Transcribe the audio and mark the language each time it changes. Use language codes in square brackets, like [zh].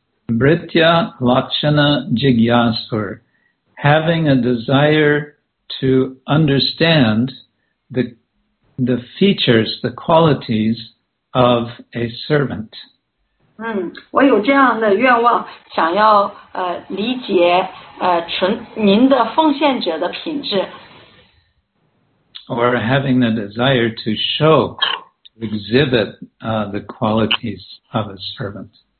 [sa] Britya lakshana jigyasur, [en] having a desire to understand the features, the qualities of a servant. [zh] 我有这样的愿望，想要理解您的奉献者的品质。 [en] Or having the desire to show, to exhibit the qualities of a servant.